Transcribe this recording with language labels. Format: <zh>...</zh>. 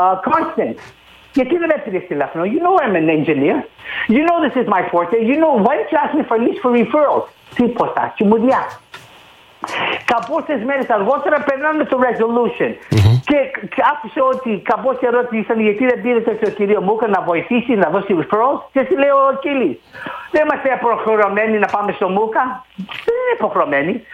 <el>Constance, γιατί δεν έπαιρες τηλέφωνο?</el> <en>You know I'm an engineer. You know this is my forte. You know, why don't you ask me for at least for referrals?</en> <el>Τίποτα, και μου διά. Καμπόσες μέρες αργότερα περνάμε το resolution. Και άφησε ότι καμπόσες ερώτησαν γιατί δεν πήρετε το κύριο Μούκα να βοηθήσει, να δώσει referrals. Και σου λέει ο Κίλης, δεν είμαστε προχωρημένοι να πάμε στο Μούκα. Δεν είναι προχωρημένοι.</el>